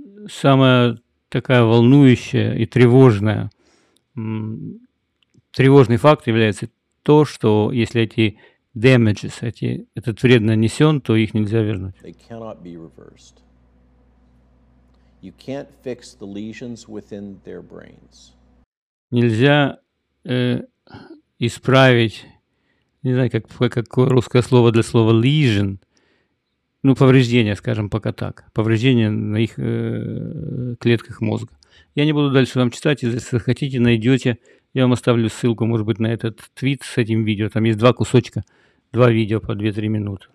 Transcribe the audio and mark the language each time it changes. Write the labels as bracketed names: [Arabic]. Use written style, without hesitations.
[Russian] Самая такая волнующая и тревожный факт является то, что если эти damages, этот вред нанесен, то их нельзя вернуть. [English] They cannot be reversed. You can't fix the lesions within their brains. [Russian] Нельзя исправить, не знаю, какое русское слово для слова lesion, ну, повреждение, скажем пока так, повреждение на их клетках мозга. Я не буду дальше вам читать, если хотите, найдете, я вам оставлю ссылку, может быть, на этот твит с этим видео, там есть два кусочка, два видео по 2-3 минуты.